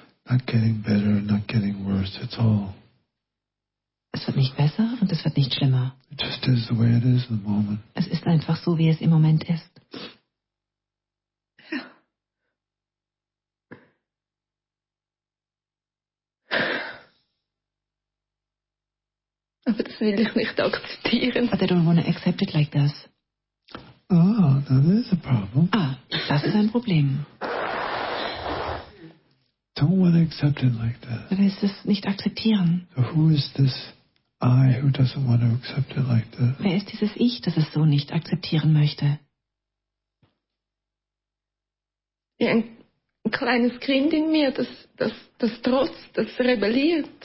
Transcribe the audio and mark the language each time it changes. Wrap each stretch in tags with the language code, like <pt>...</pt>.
<en>Not getting better, not getting worse at all.</en> <de>Es wird nicht besser und es wird nicht schlimmer.</de> <en>It just is the way it is in the moment.</en> <de>Es ist einfach so, wie es im Moment ist. Aber das will ich nicht akzeptieren.</de> <en>But I don't want to accept it like this. Oh, that is a problem.</en> <de>Ah, das ist ein Problem.</de> <en>Don't want to accept it like that.</en> <de>Du willst es nicht akzeptieren.</de> <en>So who is this I who doesn't want to accept it like that?</en> <de>Wer ist dieses Ich, das es so nicht akzeptieren möchte? Ja, ein kleines Kind in mir, das trotzt, das rebelliert.</de>